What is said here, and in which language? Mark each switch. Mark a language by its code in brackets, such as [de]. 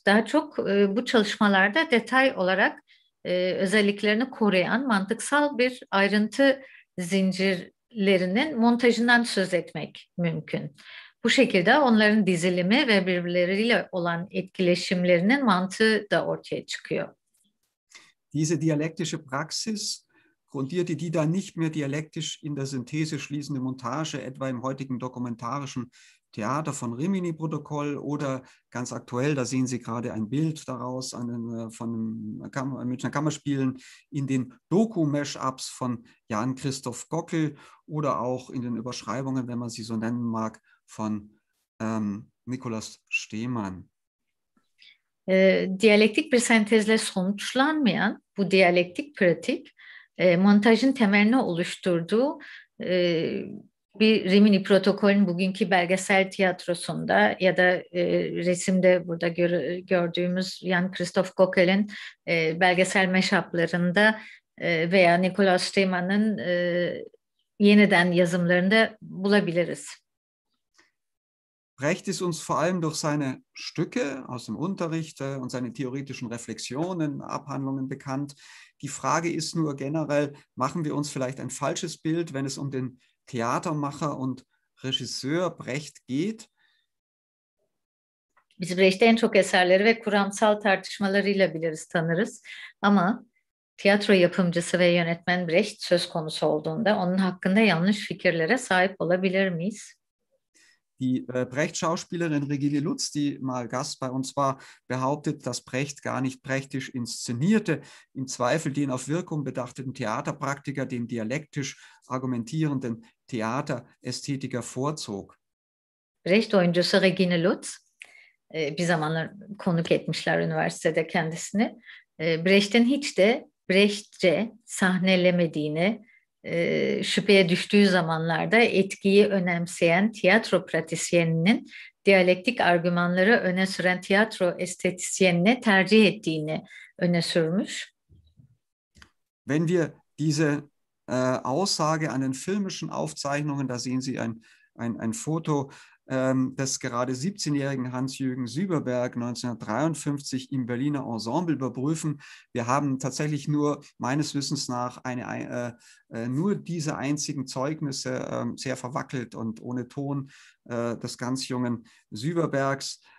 [tr] Daha çok bu çalışmalarda detay olarak özelliklerini koruyan mantıksal bir ayrıntı zincirlerinin montajından söz etmek mümkün. Bu şekilde onların dizilimi ve birbirleriyle olan etkileşimlerinin mantığı da ortaya çıkıyor. [de] Diese dialektische Praxis grundierte die dann nicht mehr dialektisch in der Synthese schließende Montage, etwa im heutigen dokumentarischen Theater von Rimini-Protokoll oder ganz aktuell, da sehen Sie gerade ein Bild daraus von Münchner Kammerspielen, in den Doku-Mashups von Jan-Christoph Gockel oder auch in den Überschreibungen, wenn man sie so nennen mag, von Nikolaus Stehmann. [tr] Dialektik bir sentezle sonuçlanmayan bu dialektik pratik montajın temelini oluşturduğu bir Rimini protokolün bugünkü belgesel tiyatrosunda ya da resimde burada gördüğümüz Jan-Christoph Gockel'in belgesel mashuplarında veya Nikolaus Stehmann'ın yeniden yazımlarında bulabiliriz. [de] Brecht ist uns vor allem durch seine Stücke aus dem Unterricht und seine theoretischen Reflexionen, Abhandlungen bekannt. Die Frage ist nur generell, machen wir uns vielleicht ein falsches Bild, wenn es um den Theatermacher und Regisseur Brecht geht? [tr] Biz Brecht'i en çok eserleri ve kuramsal tartışmalarıyla biliriz, tanırız. Ama tiyatro yapımcısı ve yönetmen Brecht söz konusu olduğunda onun hakkında yanlış fikirlere sahip olabilir miyiz? [de] Die Brecht-Schauspielerin Regine Lutz, die mal Gast bei uns war, behauptet, dass Brecht gar nicht brechtisch inszenierte, im Zweifel den auf Wirkung bedachten Theaterpraktiker, dem dialektisch argumentierenden Theaterästhetiker vorzog. [tr] Brecht-oyuncusu Regine Lutz, bir zamanlar konuk etmişler üniversitede kendisini, Brecht'in hiç de Brecht'çe sahnelemediğini, şüpheye düştüğü zamanlarda etkiyi önemseyen tiyatro pratisyeninin diyalektik argümanları öne süren tiyatro estetisyenine tercih ettiğini öne sürmüş. [de] Wenn wir diese Aussage an den filmischen Aufzeichnungen, da sehen Sie ein Foto, des gerade 17-jährigen Hans-Jürgen Süberberg 1953 im Berliner Ensemble überprüfen. Wir haben tatsächlich nur, meines Wissens nach, nur diese einzigen Zeugnisse, sehr verwackelt und ohne Ton, des ganz jungen Süberbergs.